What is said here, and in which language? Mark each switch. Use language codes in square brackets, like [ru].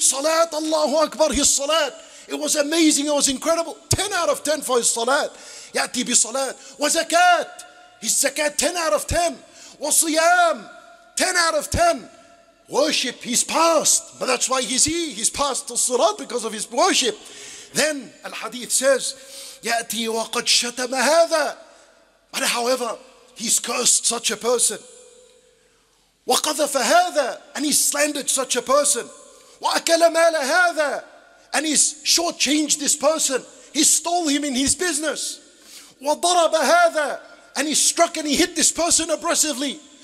[en] Salat, Allahu Akbar, his salat. It was amazing, it was incredible. 10 out of 10 for his salat. [ar] يأتي بصلات. وزكات. [en] His zakat, 10 out of 10. [ar] وصيام. [en] 10 out of 10. Worship, he's passed. But that's why he's here. He's passed to salat because of his worship. Then, al-hadith says, [ar] يأتي وقد شتم هذا. [en] But however, he's cursed such a person. [ar] وَقَذَفَ هَذَا, [en] and he slandered such a person. [ar] وَأَكَلَ مَالَ هَذَا, [en] and he's shortchanged this person. He stole him in his business. [ar] وَضَرَبَ هَذَا, [en] and he struck and he hit this person oppressively.